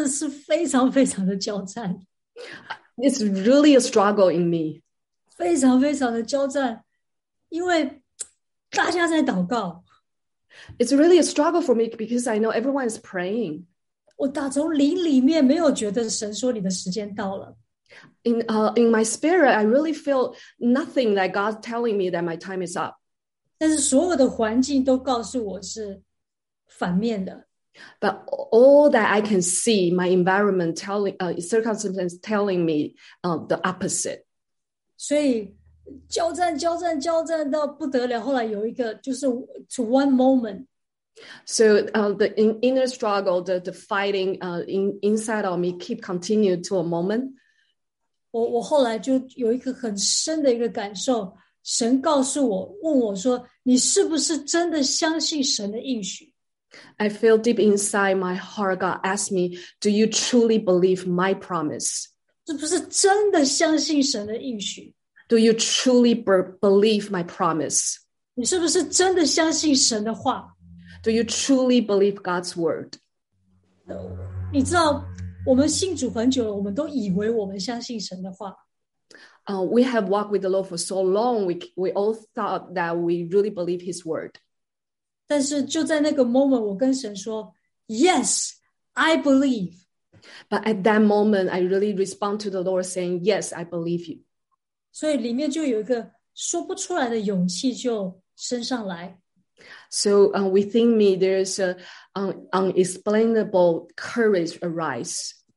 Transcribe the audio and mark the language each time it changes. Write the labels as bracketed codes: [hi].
[zh] 那我当初真的是非常非常的交战。 [en] It's really a struggle in me. [zh] 非常非常的交战, 因为大家在祷告。 [en] It's really a struggle for me because I know everyone is praying. [zh] 我打从灵里面没有觉得神说你的时间到了。 [en] In my spirit, I really feel nothing that God's telling me that my time is up. [zh] 但是所有的环境都告诉我是反面的。 [en] But all that I can see, my environment telling, circumstances telling me the opposite. [zh] 所以交战到不得了, 后来有一个就是 [en] to one moment. So the inner struggle, the fighting inside of me keep continuing to a moment. [zh] 我后来就有一个很深的一个感受, 神告诉我, 问我说, 你是不是真的相信神的应许? [en] I feel deep inside my heart, God asked me, do you truly believe my promise? [zh] 是不是真的相信神的应许? [en] Do you truly believe my promise? [zh] 你是不是真的相信神的话? [en] Do you truly believe God's word? [zh] 你知道, 我们信主很久了, 我们都以为我们相信神的话。 [en] We have walked with the Lord for so long, we all thought that we really believe his word. [zh] 但是就在那个moment, 我跟神说, [en] yes, I believe. But at that moment, I really respond to the Lord saying, yes, I believe you. [zh] 所以里面就有一个说不出来的勇气就升上来。 [en] So within me, there is an unexplainable courage arise.